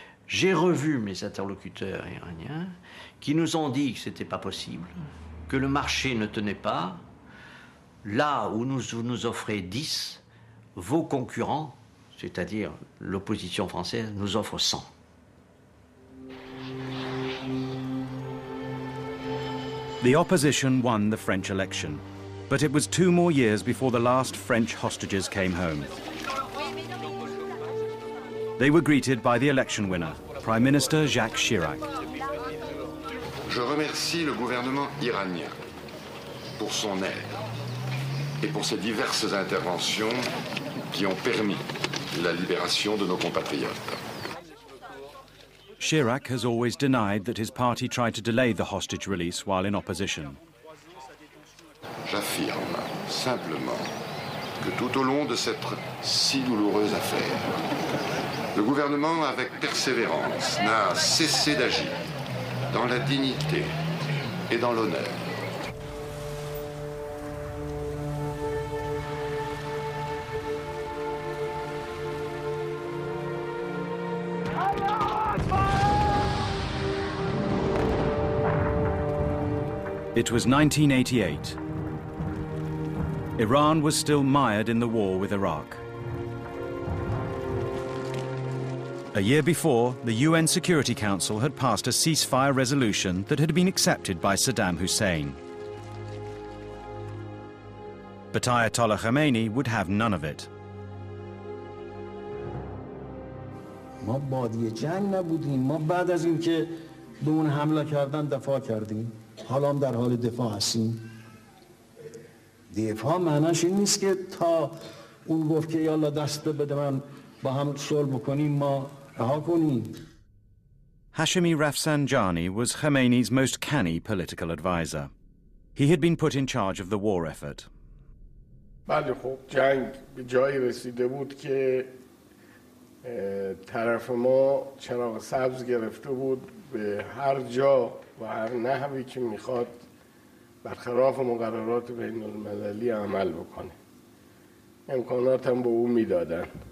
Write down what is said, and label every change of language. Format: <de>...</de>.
<fr>J'ai revu mes interlocuteurs iraniens qui nous ont dit que c'était pas possible, que le marché ne tenait pas. Là où nous offrez 10, vos concurrents, c'est-à-dire l'opposition française, nous offre 100.</fr> <en>The opposition won the French election, but it was 2 more years before the last French hostages came home. They were greeted by the election winner, Prime Minister Jacques Chirac.</en> <fr>Je remercie le gouvernement iranien pour son aide et pour ses diverses interventions qui ont permis la libération de nos compatriotes.</fr> <en>Chirac has always denied that his party tried to delay the hostage release while in opposition.</en> <fr>J'affirme simplement que tout au long de cette si douloureuse affaire, le gouvernement, avec persévérance, n'a cessé d'agir dans la dignité et dans l'honneur.</fr> <en>It was 1988. Iran was still mired in the war with Iraq. A year before, the UN Security Council had passed a ceasefire resolution that had been accepted by Saddam Hussein. But Ayatollah Khomeini would have none of it.</en> <fa>حالا هم در حال دفاع هستیم دفاع معناش این نیست که تا اون گفت که یالا دست بده من با هم صلح بکنیم ما رها کنیم</fa> <en>Hashemi Rafsanjani was Khomeini's most canny political advisor. He had been put in charge of the war effort.</en> <fa>بله خب جنگ به جایی رسیده بود که طرف ما چراغ سبز گرفته بود به هر جا و هر نحوی که میخواد برخلاف مقررات بین المللی عمل بکنه امکانات هم به او میدادن</fa>